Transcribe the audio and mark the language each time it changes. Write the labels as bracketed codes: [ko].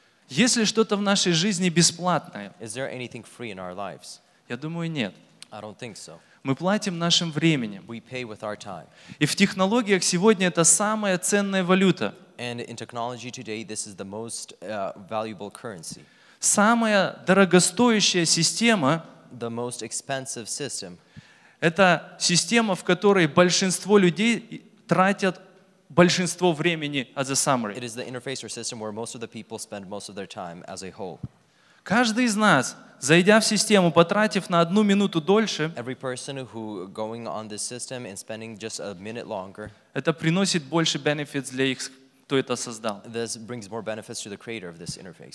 [ru] Если что-то в нашей жизни бесплатное? [en] Is there anything free in our lives? [ru] Я думаю, нет. [en] I don't think so. [ru] Мы платим нашим временем. [en] We pay with our time. [ru] И в технологиях сегодня это самая ценная валюта. [en] And in technology today, this is the most valuable currency. [ru] Самая дорогостоящая система, [en] the most expensive system, [ru] это система, в которой большинство людей тратят большинство времени [en] as a summary. It is the interface or system where most of the people spend most of their time as a whole. [ru] Каждый из нас, зайдя в систему, потратив на одну минуту дольше, [en] every person who going on this system and spending just a minute longer, [ru] это приносит больше benefits для их, кто это создал. [en] This brings more benefits to the creator of this interface.